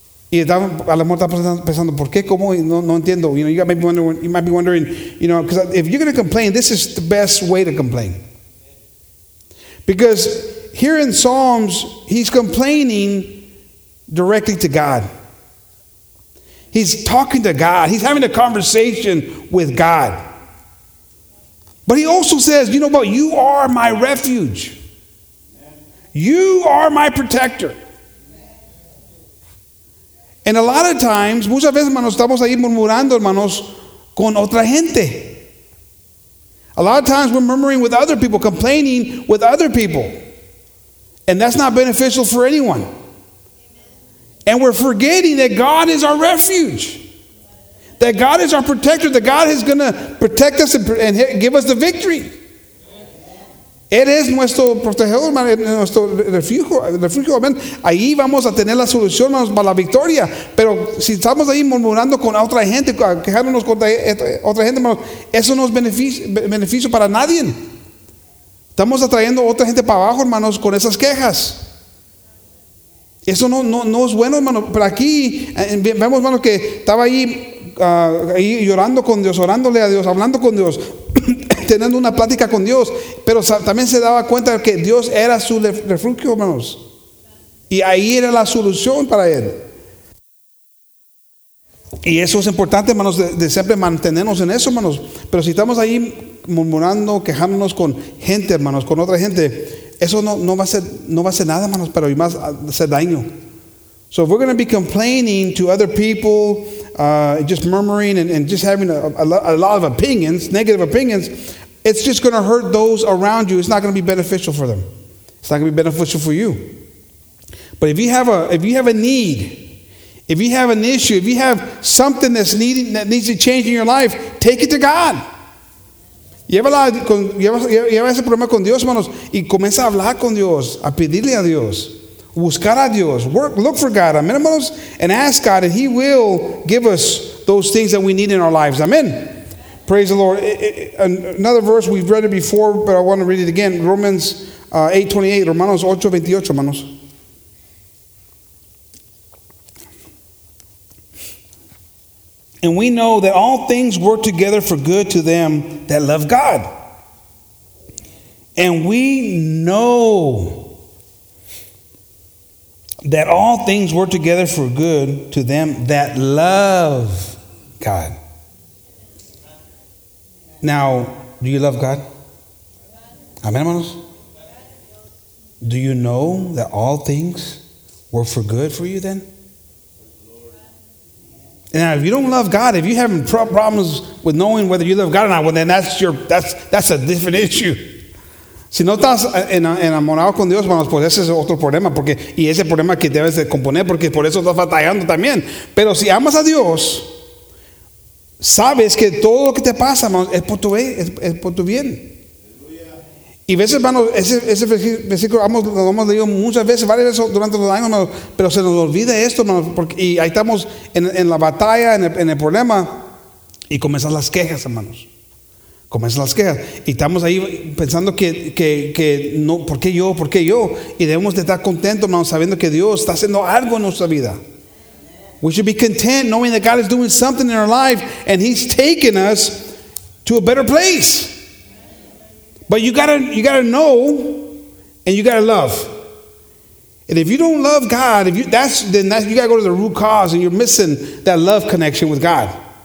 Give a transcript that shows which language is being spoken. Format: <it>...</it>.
<es>Y a lo mejor está pensando, ¿por qué? ¿Cómo? No entiendo.</es> <en>You know, you might be wondering, you know, because if you're going to complain, this is the best way to complain. Because here in Psalms, he's complaining directly to God. He's talking to God. He's having a conversation with God. But he also says, you know what? You are my refuge. You are my protector. And a lot of times,</en> <es>muchas veces, hermanos, estamos ahí murmurando, hermanos, con otra gente.</es> <en>A lot of times we're murmuring with other people, complaining with other people. And that's not beneficial for anyone. And we're forgetting that God is our refuge. That God is our protector. That God is going to protect us and give us the victory.</en> <es>Él es nuestro protegido, hermano, nuestro refugio. Amén. Ahí vamos a tener la solución, hermanos, para la victoria. Pero si estamos ahí murmurando con otra gente, quejándonos con otra gente, hermanos, eso no es beneficio para nadie. Estamos atrayendo otra gente para abajo, hermanos, con esas quejas. Eso no es bueno, hermano. Pero aquí vemos, hermano, que estaba ahí llorando con Dios, orándole a Dios, hablando con Dios. teniendo una plática con Dios, pero también se daba cuenta que Dios era su refugio, hermanos. Y ahí era la solución para él. Y eso es importante, hermanos, de siempre mantenernos en eso, hermanos. Pero si estamos ahí murmurando, quejándonos con gente, hermanos, con otra gente, eso no va a ser nada, hermanos, pero y más hacer daño.</es> <en>So if we're going to be complaining to other people, just murmuring and just having a lot of opinions, negative opinions, it's just going to hurt those around you. It's not going to be beneficial for them. It's not going to be beneficial for you. But if you have a need, if you have an issue, if you have something that needs to change in your life, take it to God.</en> <es>Lleva ese problema con Dios, hermanos, y comienza a hablar con Dios, a pedirle a Dios. Buscar a Dios.</es> <en>Look for God.</en> <es>Amen, hermanos.</es> <en>And ask God, and He will give us those things that we need in our lives. Amen. Praise the Lord. Another verse, we've read it before, but I want to read it again.</en> <es>Romans 8:28. Romanos 8:28, hermanos.</es> <en>And we know that all things work together for good to them that love God. And we know that all things work together for good to them that love God. Now, do you love God? Amen, hermanos? Do you know that all things work for good for you then? Now, if you don't love God, if you're having problems with knowing whether you love God or not, well, then that's a different issue.</en> <es>Si no estás enamorado con Dios, bueno, pues ese es otro problema, porque y ese problema que debes de componer, porque por eso estás batallando también. Pero si amas a Dios, sabes que todo lo que te pasa, hermanos, es por tu bien. Y veces, hermanos, ese versículo lo hemos leído muchas veces, varias veces durante los años, hermanos, pero se nos olvida esto, hermanos, porque y ahí estamos en la batalla, en el problema, y comienzan las quejas, hermanos. Comienzan las quejas. Y estamos ahí pensando que no, ¿por qué yo? Y debemos de estar contentos, hermanos, sabiendo que Dios está haciendo algo en nuestra vida.</es> <en>We should be content knowing that God is doing something in our life and He's taking us to a better place. But you gotta know and you gotta love. And if you don't love God, then you gotta go to the root cause and you're missing that love connection with God.</en>